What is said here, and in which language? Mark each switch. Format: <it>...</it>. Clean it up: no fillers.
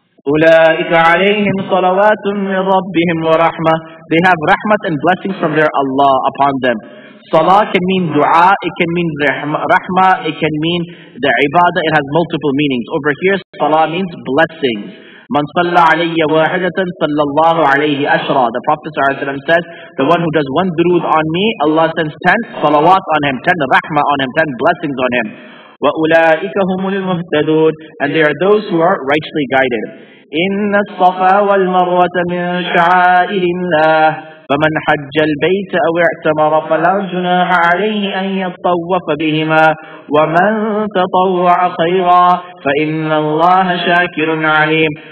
<ar>أولئك عليهم صلوات من ربهم ورحمة.</ar> <en>They have rahmat and blessings from their Allah upon them. Salah can mean dua, it can mean rahmah, it can mean the ibadah, it has multiple meanings. Over here, salah means blessings.</en> <ar>من صلى علي واحدة صلى الله عليه أشرا.</ar> <en>The Prophet ﷺ says, the one who does one durood on me, Allah sends 10 salawat on him, 10 rahmah on him, 10 blessings on him.</en> <ar>وَأُولَٰئِكَ هُمُ الْمُهْتَدُونَ.</ar> <en>And they are those who are rightly guided.</en> <ar>إِنَّ الصَّفَا وَالْمَرْوَةَ مِنْ شَعَائِرِ اللَّهِ فَمَنْ حَجَّ الْبَيْتَ أَوْ اِعْتَمَرَ فَلَا جُنَاحَ عَلَيْهِ أَنْ يَطَّوَّفَ بِهِمَا وَمَنْ تَطَوَّعَ خَيْرًا فَإِنَّ اللَّهَ شَاكِرٌ عَلِيمٌ.</ar>